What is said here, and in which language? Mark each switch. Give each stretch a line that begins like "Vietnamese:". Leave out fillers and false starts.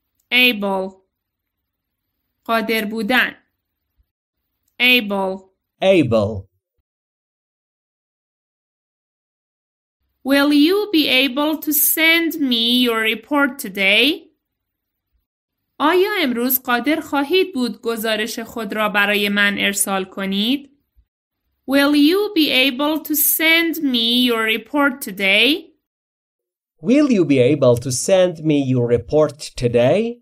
Persian: Able. قادر بودن. Able.
English: Able. Will you be able to send me your report today?
Persian: آیا امروز قادر خواهید بود گزارش خود را برای من ارسال کنید؟
English: Will you be able to send me your report today? Will you be able to send me your report today?